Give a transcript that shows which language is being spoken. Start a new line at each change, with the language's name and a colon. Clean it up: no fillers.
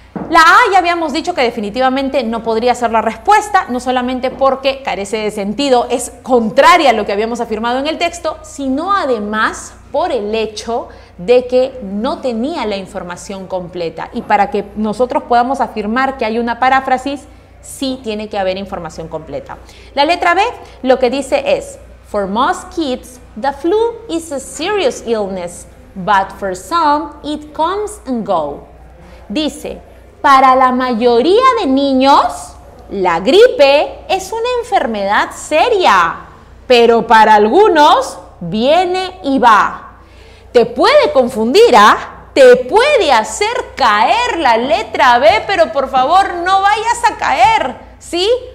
Spanish: La A ya habíamos dicho que definitivamente no podría ser la respuesta, no solamente porque carece de sentido, es contraria a lo que habíamos afirmado en el texto, sino además por el hecho de que no tenía la información completa. Y para que nosotros podamos afirmar que hay una paráfrasis, sí tiene que haber información completa. La letra B lo que dice es:
English: For most kids, the flu is a serious illness, but for some, it comes and goes.
Spanish: Dice: Para la mayoría de niños, la gripe es una enfermedad seria, pero para algunos, viene y va. Te puede confundir, ¿ah? Te puede hacer caer la letra B, pero por favor, no vayas a caer, ¿sí?